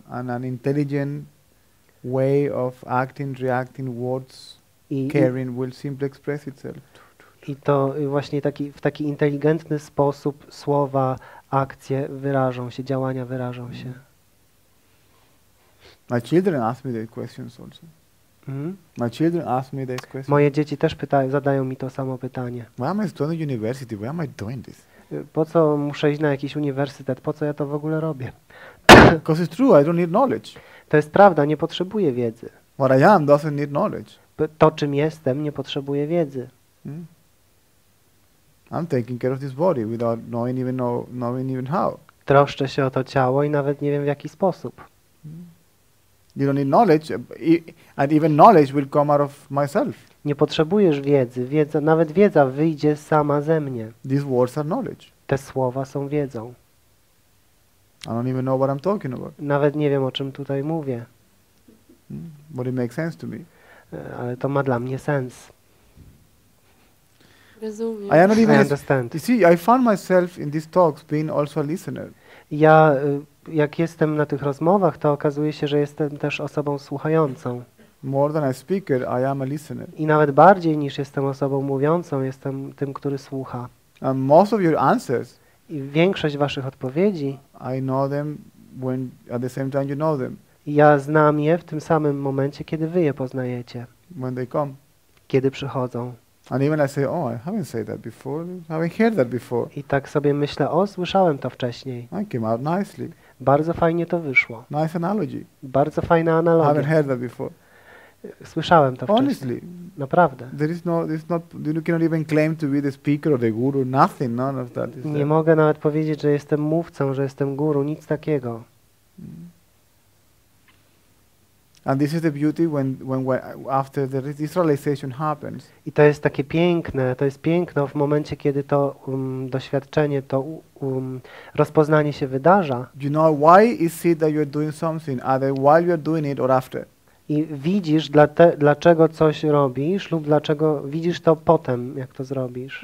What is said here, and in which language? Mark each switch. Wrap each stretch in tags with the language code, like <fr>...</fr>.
<en>And an intelligent way of acting, reacting, words. Caring will simply express itself.</en> <pl>I to właśnie taki, w taki inteligentny sposób słowa, akcje wyrażą się, działania wyrażą się.</pl> <en>My children ask me these questions also. Mm-hmm. My children ask me these questions.</en> <pl>Moje dzieci też pytają, zadają mi to samo pytanie.</pl> <en>Why am I going to university? Why am I doing this?</en> <pl>Po co muszę iść na jakiś uniwersytet? Po co ja to w ogóle robię?</pl> <en>Because it's true, I don't need knowledge.</en> <pl>To jest prawda, nie potrzebuję wiedzy.</pl> <en>What I am doesn't need knowledge.</en> <pl>To, czym jestem, nie potrzebuję wiedzy. Mm.</pl> <en>I'm taking care of this body without knowing even how.</en> <pl>Troszczę się o to ciało i nawet nie wiem, w jaki sposób. Mm.</pl> <en>You don't need knowledge, and even knowledge will come out of myself.</en> <pl>Nie potrzebujesz wiedzy. Wiedza, nawet wiedza wyjdzie sama ze mnie.</pl> <en>These words are knowledge.</en> <pl>Te słowa są wiedzą.</pl> <en>I don't even know what I'm talking about.</en> <pl>Nawet nie wiem, o czym tutaj mówię.</pl> <en>Mm. But it makes sense to me.</en> <pl>Ale to ma dla mnie sens. Rozumiem.</pl> <en>I understand. You see, I found myself in these talks being also a listener.</en> <pl>Ja, jak jestem na tych rozmowach, to okazuje się, że jestem też osobą słuchającą.</pl> <en>More than a speaker, I am a listener.</en> <pl>I nawet bardziej niż jestem osobą mówiącą, jestem tym, który słucha.</pl> <en>And most of your answers.</en> <pl>I większość waszych odpowiedzi.</pl> <en>I know them when at the same time you know them.</en> <pl>Ja znam je w tym samym momencie, kiedy wy je poznajecie.</pl> <en>When they come.</en> <pl>Kiedy przychodzą.</pl> <en>And even I say, oh, I haven't said that before. I haven't heard that before.</en> <pl>I tak sobie myślę, o, słyszałem to wcześniej.</pl> <en>I came out nicely.</en> <pl>Bardzo fajnie to wyszło.</pl> <en>Nice analogy.</en> <pl>Bardzo fajna analogia.</pl> <en>I haven't heard that before.</en> <pl>Słyszałem to</pl> <en>honestly,</en> <pl>wcześniej. Naprawdę.</pl> <en>There is no, it's not, you cannot even claim to be the speaker or the guru. Nothing, none of that.</en> <pl>Nie mogę nawet powiedzieć, że jestem mówcą, że jestem guru. Nic takiego.</pl> <en>And this is the beauty when after the realization happens.</en> <pl>I to jest takie piękne, to jest piękno w momencie, kiedy to doświadczenie, to rozpoznanie się wydarza.</pl> <en>Do you know why is it that you're doing something, either while you're doing it or after?</en> <pl>I widzisz dlaczego coś robisz lub dlaczego widzisz to potem, jak to zrobisz.</pl>